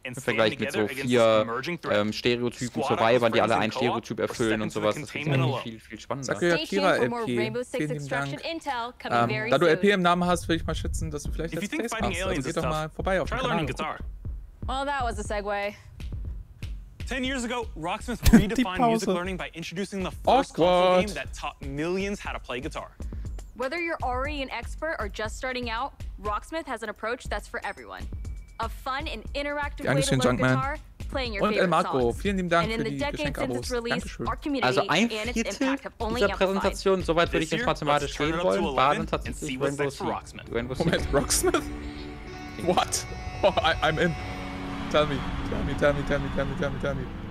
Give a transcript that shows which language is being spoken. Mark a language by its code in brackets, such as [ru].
[de] Im Vergleich mit so 4 Stereotypen zu Vibern, die alle einen Stereotyp erfüllen und sowas, das finde ich viel, viel spannender. Sakura Kira LP, vielen lieben Dank. Da du LP im Namen hast, würde ich mal schätzen, dass du vielleicht das Space machst. Also geh doch mal vorbei auf den Kanal. [en] Well, that was a segue. 10 years ago, Rocksmith redefined music learning by introducing the first console game that taught millions how to play guitar. Whether you're already an expert or just starting out, Rocksmith has an approach that's for everyone. A fun and interactive way to learn guitar, playing your favorite songs. [de] Und El Marco, vielen lieben Dank für die Geschenkabos. Dankeschön. Also ein Viertel dieser Präsentation, soweit würde ich jetzt mathematisch gehen wollen, waren tatsächlich Rainbow Six. [en] Moment, Rocksmith? What? I'm in. Tell me.